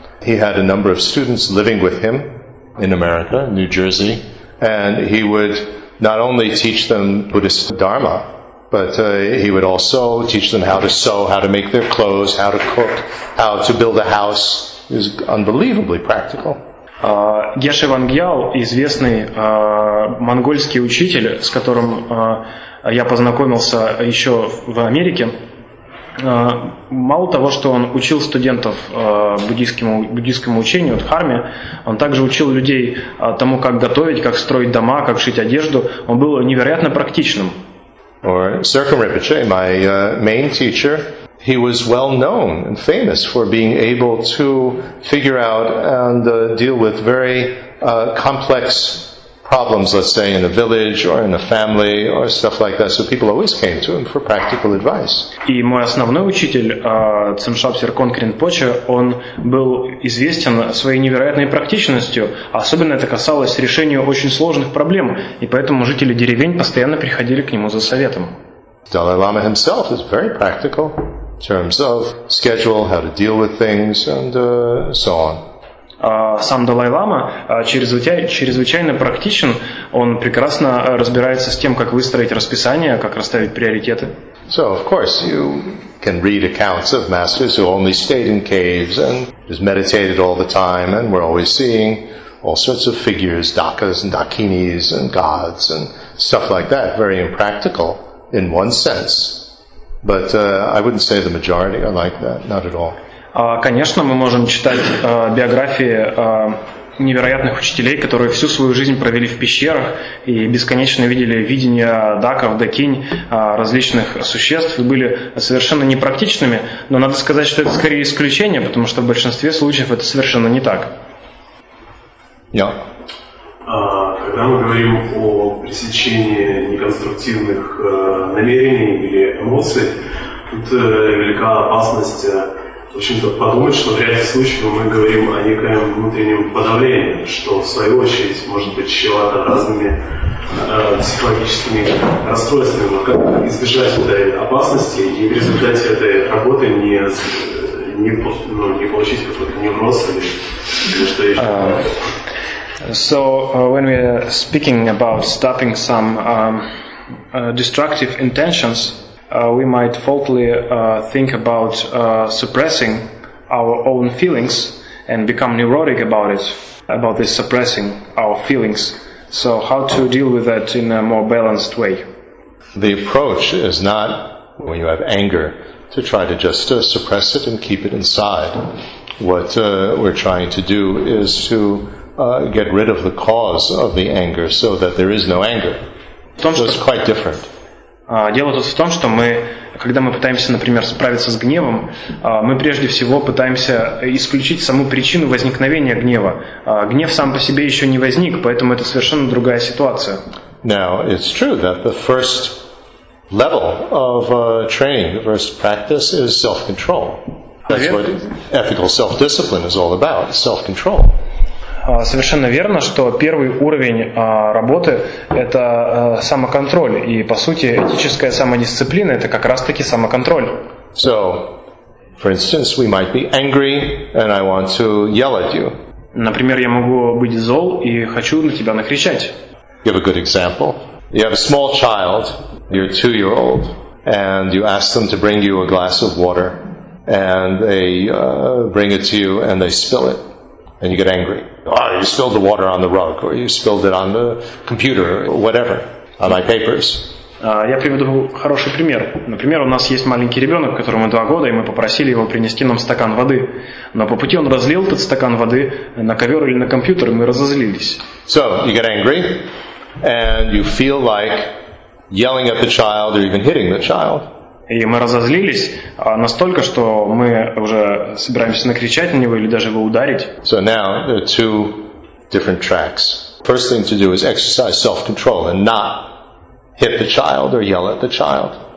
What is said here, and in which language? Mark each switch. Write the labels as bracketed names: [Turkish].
[English] He had a number of students living with him in America, New Jersey, and he would not only teach them Buddhist Dharma, but he would also teach them how to sew, how to make their clothes, how to cook, how to build a house. It was unbelievably practical. [Russian] Геша Вангьял, известный монгольский учитель, с которым я познакомился еще в Америке, мало того, что он учил студентов буддийскому учению, дхарме, он также учил людей тому, как готовить, как строить дома, как шить одежду. Он был невероятно практичным. [English] Or Serkan Rinpoche, my main teacher. He was well known and famous for being able to figure out and deal with very complex problems, let's say, in a village or in a family or stuff like that. So people always came to him for practical advice. [Russian] И мой основной учитель, Цимшап Серкон Кринпоче, он был известен своей невероятной практичностью, особенно это касалось решения очень сложных проблем, и поэтому жители деревень постоянно приходили к нему за советом. [English] Dalai Lama himself is very practical. In terms of schedule, how to deal with things, and so on. [Russian] Сам Далай Лама чрезвычайно практичен. Он прекрасно разбирается с тем, как выстроить расписание, как расставить приоритеты. [English] So, of course, you can read accounts of masters who only stayed in caves and just meditated all the time, and we're always seeing all sorts of figures, dakas and dakinis and gods and stuff like that. Very impractical in one sense. But I wouldn't say the majority are like that, not at all. [Russian] Конечно, мы можем читать биографии невероятных учителей, которые всю свою жизнь провели в пещерах и бесконечно видели видения даков, дакинь, различных существ, и были совершенно непрактичными. Но надо сказать, что это скорее исключение, потому что в большинстве случаев это совершенно не так. [English] Yeah. [Russian] Когда мы говорим о пресечении неконструктивных намерений или эмоций, тут велика опасность, в общем-то, подумать, что в ряде случаев мы говорим о неком внутреннем подавлении, что в свою очередь может быть чревато разными психологическими расстройствами. Но как избежать этой опасности и в результате этой работы не получить какой-то невроз или что еще? [English] So, when we are speaking about stopping some destructive intentions, we might falsely think about suppressing our own feelings and become neurotic about it, about this suppressing our feelings. So, how to deal with that in a more balanced way? The approach is not, when you have anger, to try to just suppress it and keep it inside. What we're trying to do is to get rid of the cause of the anger so that there is no anger. So it's quite different. [Russian] Дело тут в том, что мы, когда мы пытаемся, например, справиться с гневом, мы прежде всего пытаемся исключить саму причину возникновения гнева. Гнев сам по себе еще не возник, поэтому это совершенно другая ситуация. [English] Now, it's true that the first level of training, the first practice is self-control. That's what ethical self-discipline is all about, self-control. [Russian] Совершенно верно, что первый уровень работы – это самоконтроль. И, по сути, этическая самодисциплина – это как раз-таки самоконтроль. [English] So, for instance, we might be angry, and I want to yell at you. [Russian] Например, я могу быть зол и хочу на тебя накричать. [English] Give a good example. You have a small child, you're 2-year-old, and you ask them to bring you a glass of water, and they bring it to you, and they spill it, and you get angry. Oh, you spilled the water on the rug, or you spilled it on the computer, or whatever, on my papers. [Russian] Я приведу хороший пример. Например, у нас есть маленький ребенок, которому 2 года, и мы попросили его принести нам стакан воды. Но по пути он разлил этот стакан воды на ковер или на компьютер, и мы разозлились. [English] So, you get angry, and you feel like yelling at the child or even hitting the child. [Russian] И мы разозлились настолько, что мы уже собираемся накричать на него или даже его ударить. [English] So now there are two different tracks. First thing to do is exercise self-control and not hit the child or yell at the child.